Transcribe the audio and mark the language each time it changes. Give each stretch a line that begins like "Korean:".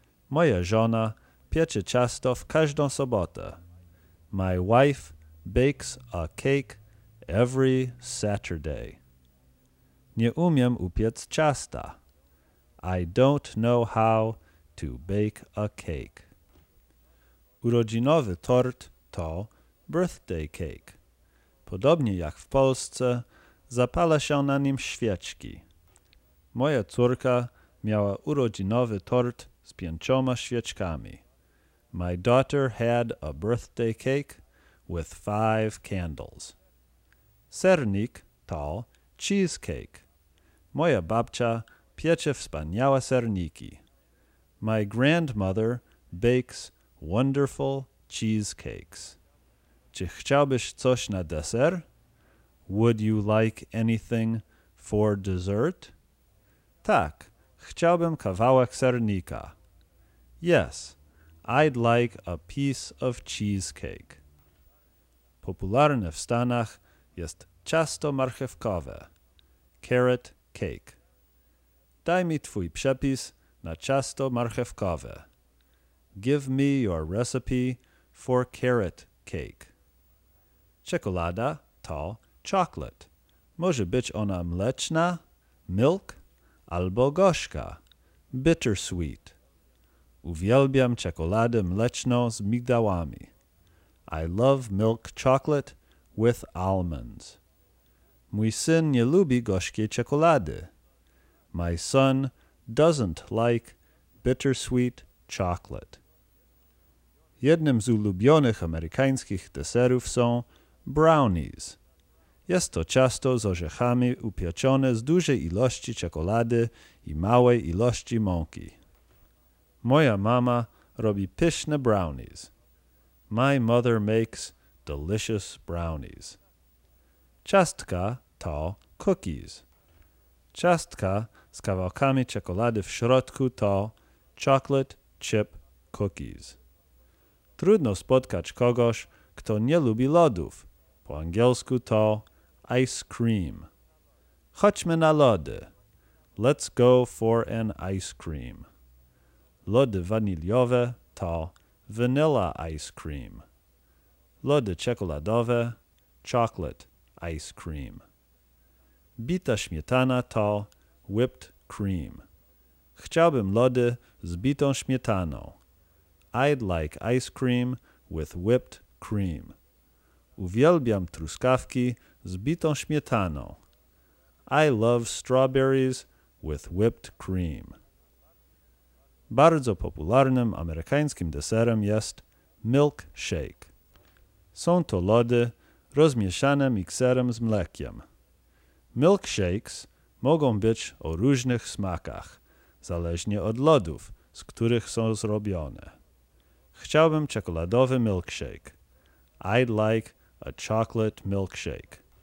Polish: Moja żona piecze ciasto w każdą sobotę.
English: My wife bakes a cake every Saturday.
Polish: Nie umiem upiec ciasta.
English: I don't know how to bake a cake.
Polish: Urodzinowy tort to birthday cake. Podobnie jak w Polsce, zapala się na nim świeczki. Moja córka miała urodzinowy tort z 5 świeczkami.
English: My daughter had a birthday cake with 5 candles.
Polish: Sernik to cheesecake. Moja babcia piecze wspaniałe serniki.
English: My grandmother bakes wonderful cheesecakes.
Polish: Czy chciałbyś coś na deser?
English: Would you like anything for dessert?
Polish: Tak, chciałbym kawałek sernika.
English: Yes, I'd like a piece of cheesecake.
Polish: Popularne w Stanach jest ciasto marchewkowe. Carrot cake. Daj mi twój przepis na ciasto marchewkowe.
English: Give me your recipe for carrot cake.
Polish: Czekolada to chocolate. Może być ona mleczna, milk, albo gorzka, bittersweet. Uwielbiam czekoladę mleczną z migdałami.
English: I love milk chocolate with almonds.
Polish: Mój syn nie lubi gorzkiej czekolady.
English: My son doesn't like bittersweet chocolate.
Polish: Jednym z ulubionych amerykańskich deserów są brownies. Jest to ciasto z orzechami upieczone z dużej ilości czekolady i małej ilości mąki. Moja mama robi pyszne brownies.
English: My mother makes delicious brownies.
Polish: Ciastka to cookies. Ciastka z kawałkami czekolady w środku to chocolate chip cookies. Trudno spotkać kogoś, kto nie lubi lodów. Po angielsku to ice cream. Chodźmy na lody.
English: Let's go for an ice cream.
Polish: Lody waniliowe to
English: vanilla ice cream.
Polish: Lody czekoladowe, chocolate ice cream. Bita śmietana to whipped cream. Chciałbym lody z bitą śmietaną.
English: I'd like ice cream with whipped cream.
Polish: Uwielbiam truskawki z bitą śmietaną.
English: I love strawberries with whipped cream.
Polish: Bardzo popularnym amerykańskim deserem jest milkshake. Są to lody rozmieszane mikserem z mlekiem. Milkshakes mogą być o różnych smakach, zależnie od lodów, z których są zrobione. Chciałbym czekoladowy milkshake.
English: I'd like a chocolate milkshake.